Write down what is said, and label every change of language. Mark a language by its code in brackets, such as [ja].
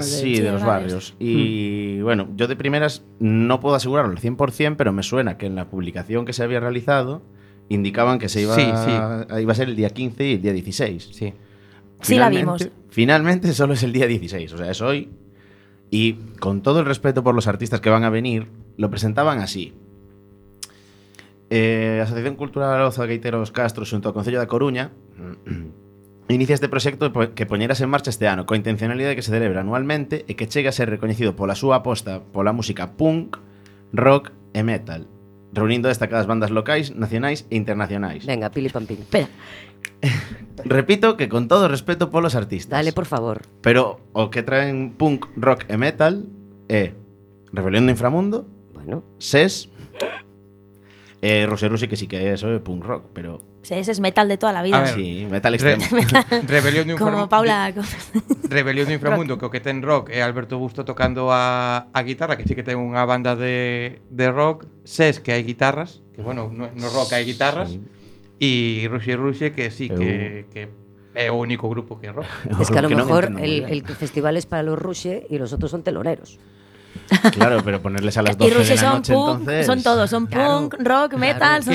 [es] Sí, de los barrios. Y bueno, yo de primeras no puedo asegurarlo al 100%, pero me suena que en la publicación que se había realizado indicaban que iba a ser el día 15 y el día 16. Sí. Finalmente, sí, la vimos. Finalmente solo es el día 16, o sea, es hoy. Y con todo el respeto por los artistas que van a venir, lo presentaban así. [gl] Asociación Cultural Oza Gaiteros Castro, junto al Concello da Coruña, inicia este proxecto que poñeras en marcha este ano, coa intencionalidade de que se celebre anualmente e que chegue a ser recoñecido pola súa aposta pola música punk, rock e metal, reunindo destacadas bandas locais, nacionais e internacionais. [es] Venga, pili pam pili. Espera. Repito que con todo respeto por los artistas. Dale, por favor. [gl] Pero o que traen punk, rock e metal Rebelión de Inframundo. [es] Bueno. SES. Rosé Rusi, que sí que es punk rock, pero. SES es metal de toda la vida. Ah, sí, metal extremo. Rebelión de Inframundo. Como Paula. [gl] Rebelión de Inframundo, que o que ten rock Alberto Busto tocando a guitarra, que sí que ten unha banda de rock. [es] SES, que hay guitarras. Que bueno, no rock, hay guitarras. Sí. Y Rusia, que sí, que es el único grupo que rock. Es que a lo que mejor el festival es para los Rusia y los otros son teloneros. Claro, pero ponerles a las 12 y Rusia de la son noche, punk, entonces... Son todos, son claro, punk, rock, claro, metal, son